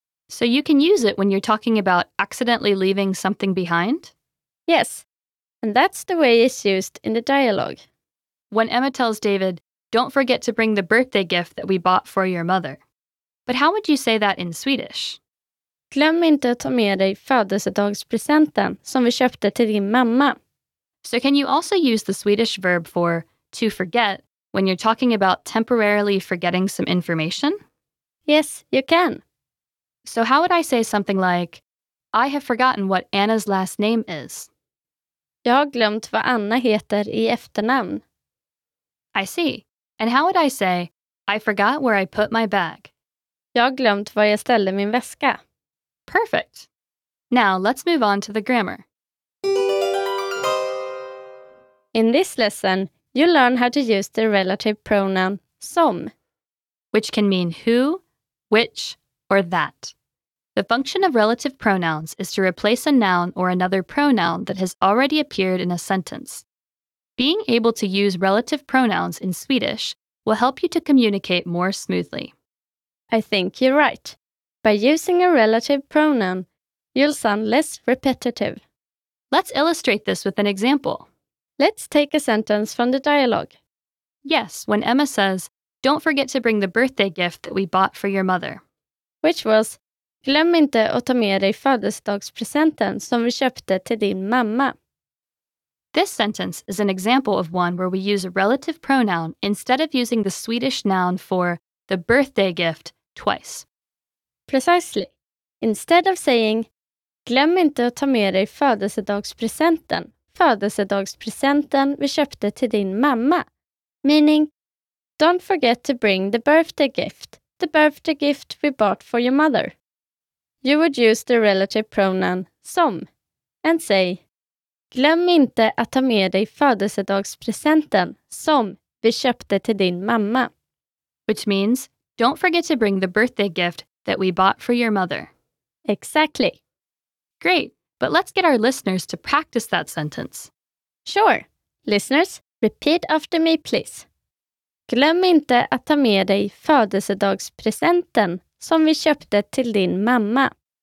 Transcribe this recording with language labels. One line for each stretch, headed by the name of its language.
English: So you can use it when you're talking about accidentally leaving something behind? Yes, and that's the way it's used in the dialogue. When Emma tells David, don't forget to bring the birthday gift that we bought for your mother. But how would you say that in Swedish?
Swedish: Glöm inte att ta med dig födelsedagspresenten som vi köpte till din mamma.
English: So can you also use the Swedish verb for to forget when you're talking about temporarily forgetting some information? Yes, you can. So how would I say something like, I have forgotten what Anna's last name is?
Swedish: Jag har glömt vad Anna heter i efternamn.
English: I see. And how would I say, I forgot where I put my bag?
Swedish: Jag har glömt var jag ställde min väska.
English: Perfect. Now let's move on to the grammar. In this lesson, you learn how to use the relative pronoun som, which can mean who, which, or that. The function of relative pronouns is to replace a noun or another pronoun that has already appeared in a sentence. Being able to use relative pronouns in Swedish will help you to communicate more smoothly. I think you're right. By using a relative pronoun, you'll sound less repetitive. Let's illustrate this with an example. Let's take a sentence from the dialogue. Yes, when Emma says, "Don't forget to bring the birthday gift that we bought for your mother." Which was,
Swedish: glöm inte att ta med dig födelsedagspresenten som vi köpte till din mamma.
English: This sentence is an example of one where we use a relative pronoun instead of using the Swedish noun for the birthday gift twice. Precisely. Instead of saying,
Swedish: glöm inte att ta med dig födelsedagspresenten vi köpte till din mamma,
English: meaning, don't forget to bring the birthday gift we bought for your mother. You would use the relative pronoun som and say,
Swedish: glöm inte att ta med dig födelsedagspresenten som vi köpte till din mamma.
English: Which means, don't forget to bring the birthday gift that we bought for your mother. Exactly. Great, but let's get our listeners to practice that sentence. Sure. Listeners, repeat after me, please.
Swedish: Glöm inte att ta med dig födelsedagspresenten som vi köpte till din mamma.